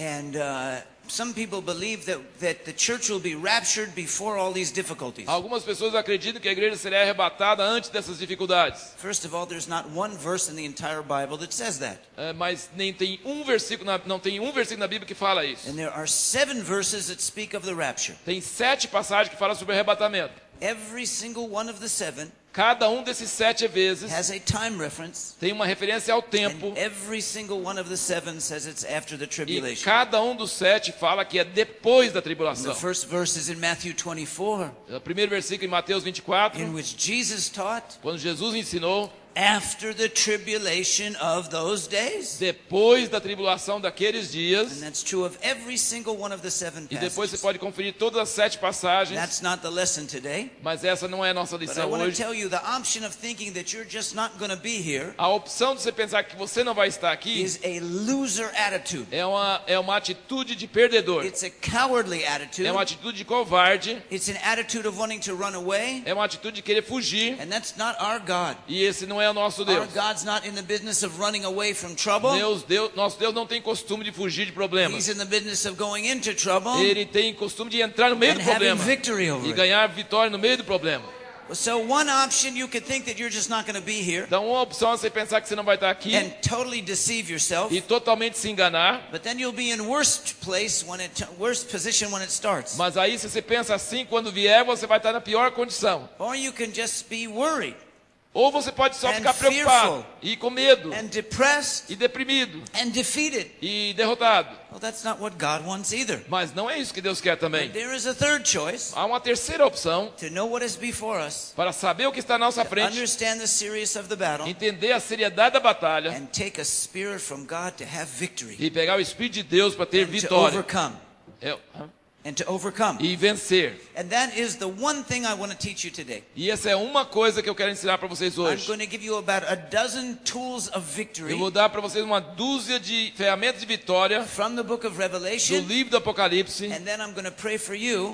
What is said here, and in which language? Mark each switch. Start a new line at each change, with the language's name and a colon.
English: And some people believe that the church will be raptured before all these difficulties.
Portuguese: Algumas pessoas acreditam que a igreja será arrebatada antes dessas dificuldades.
English: First of all, there's not one verse in the entire Bible that says that.
Portuguese: Mas nem tem um versículo na Bíblia que fala isso.
English: And there are 7 verses that speak of the rapture.
Portuguese: Tem 7 passagens que falam sobre o arrebatamento.
English: Every single one of the 7.
Portuguese: Cada um desses 7 vezes
English: has a time reference,
Portuguese: tem uma referência ao tempo.
English: Every single one of the 7 says it's after the tribulation.
Portuguese: E cada um dos 7 fala que é depois da tribulação.
English: The first verse is in Matthew 24.
Portuguese: O primeiro versículo em Mateus 24.
English: In which Jesus taught,
Portuguese: quando Jesus ensinou,
English: After the tribulation of those days.
Portuguese: Depois da tribulação daqueles dias.
English: And that's true of every single one of the seven passages.
Portuguese: E depois você pode conferir todas as sete passagens.
English: That's not the lesson today.
Portuguese: Mas essa não é a nossa lição hoje.
English: But I want to tell you the option of thinking that you're just not going to be here.
Portuguese: A opção de você pensar que você não vai estar aqui.
English: Is a loser attitude.
Portuguese: É uma atitude de perdedor.
English: It's a cowardly attitude.
Portuguese: É uma atitude de covarde.
English: It's an attitude of wanting to run away.
Portuguese: É uma atitude de querer fugir.
English: And that's not our God.
Portuguese: E esse não é o nosso Deus.
English: Our God's not in the business of running away from trouble.
Portuguese: Nosso Deus não tem costume de fugir de problemas.
English: He's in the business of going into trouble.
Portuguese: Ele tem costume de entrar no meio do problema.
English: And having victory over
Portuguese: it. E ganhar vitória no meio do problema.
English: So one option you could think that you're just not going to be here.
Portuguese: Então uma opção é você pensar que você não vai estar aqui.
English: And totally deceive yourself.
Portuguese: E totalmente se enganar.
English: But then you'll be in worst position when it starts.
Portuguese: Mas aí se você pensa assim, quando vier, você vai estar na pior condição.
English: Or you can just be worried.
Portuguese: Ou você pode só ficar preocupado e com medo e deprimido e derrotado.
English: Well, that's not what God wants either.
Portuguese: Mas não é isso que Deus quer também.
English: But there is a third choice.
Portuguese: Há uma terceira opção.
English: To know what is before us.
Portuguese: Para saber o que está à nossa frente.
English: Understand the seriousness of the battle.
Portuguese: Entender a seriedade da batalha.
English: And take a spirit from God to have victory.
Portuguese: E pegar o espírito de Deus para ter vitória.
English: To overcome. And to overcome.
Portuguese: E vencer.
English: And that is the one thing I want to teach you today.
Portuguese: E essa é uma coisa que eu quero ensinar para vocês hoje.
English: I'm going to give you about a dozen tools of victory.
Portuguese: Eu vou dar para vocês uma dúzia de ferramentas de vitória.
English: From the book of Revelation.
Portuguese: Do livro do Apocalipse.
English: And then I'm going to pray for you.